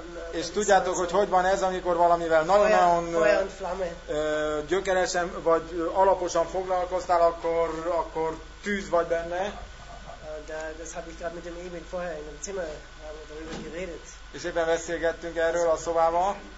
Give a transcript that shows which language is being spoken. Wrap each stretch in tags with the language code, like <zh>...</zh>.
<hu>És tudjátok, hogy hogy van ez, amikor valamivel nagyon-nagyon gyökeresen vagy alaposan foglalkoztál, akkor tűz vagy benne.</hu> <de>Das habe ich gerade mit dem Emil vorher in dem Zimmer darüber geredet.</de> <hu>És éppen beszélgettünk erről a szobában.</hu>